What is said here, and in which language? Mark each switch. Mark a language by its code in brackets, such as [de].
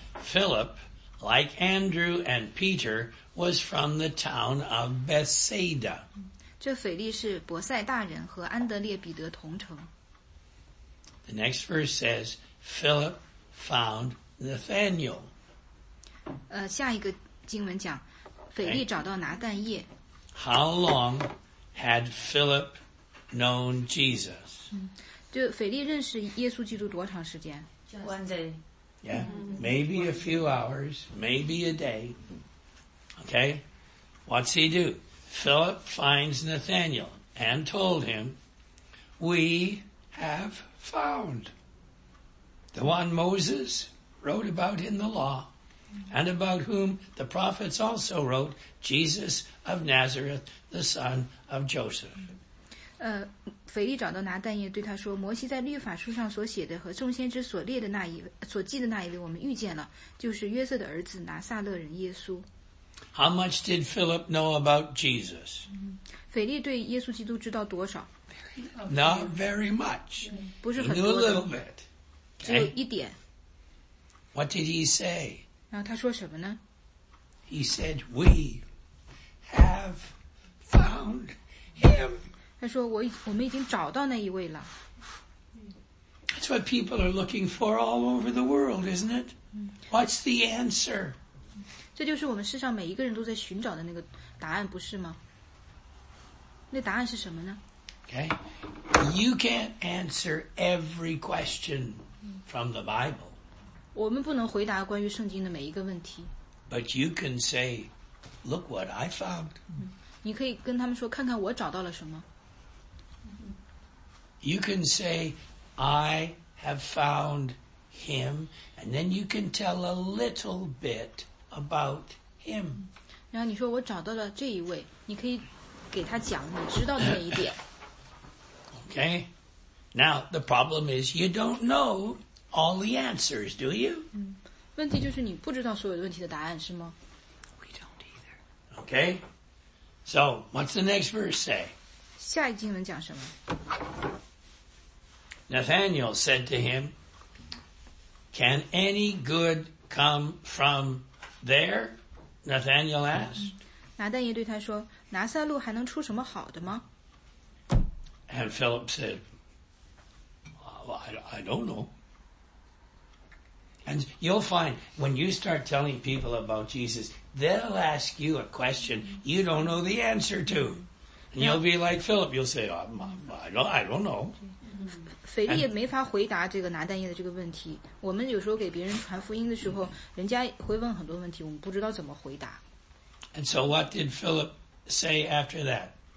[en] Philip, like Andrew and Peter, was from the town of Bethsaida. [zh] 这腓力是伯塞大人和安德烈彼得同城。 [en] The next verse says, Philip found Nathanael. [zh] 下一个经文讲腓力找到拿但业。 [en] How long had Philip known Jesus? [zh] 就腓力认识耶稣基督多长时间 [en] One day. Yeah, maybe a few hours, maybe a day. Okay, what's he do? Philip finds Nathanael and told him, We have found the one Moses wrote about in the law and about whom the prophets also wrote, Jesus of Nazareth, the son of Joseph. [zh] 腓力找到拿但业对他说摩西在律法书上所写的和众先知所记的那一位我们遇见了就是约瑟的儿子拿撒勒人耶稣 [en] How much did Philip know about Jesus? [zh] 腓力对耶稣基督知道多少 [en] Not very much [zh] 不是很多 [en] He knew a little bit [zh] 只有一点 [en] What did he say? [zh] 然后他说什么呢 [en] He said we have found him [zh] 他说我们已经找到那一位了。 [en] That's what people are looking for all over the world, isn't it? What's the answer? [zh] 这就是我们世上每一个人都在寻找的那个答案，不是吗？那答案是什么呢？ [en] Okay. You can't answer every question from the Bible. [zh] 我们不能回答关于圣经的每一个问题。 [en] But you can say, look what I found. [zh] 你可以跟他们说，看看我找到了什么。 [en] You can say, I have found him, and then you can tell a little bit about him. [zh] 然后你说我找到了这一位，你可以给他讲你知道的那一点。 [en] Okay. Now, the problem is you don't know all the answers, do you? [zh] 问题就是你不知道所有问题的答案，是吗？ [en] We don't either. Okay. So, what's the next verse say? [zh] 下一经文讲什么？ [en] Nathanael said to him, Can any good come from there? Nathanael asked. [zh] 拿但也对他说，拿撒路还能出什么好的吗？ [en] And Philip said, I don't know. And you'll find when you start telling people about Jesus, they'll ask you a question you don't know the answer to. And you'll be like Philip, you'll say, I don't know. [zh] 腓力也没法回答这个拿但业的这个问题。我们有时候给别人传福音的时候，人家会问很多问题，我们不知道怎么回答。 [en] And so what did Philip say after that?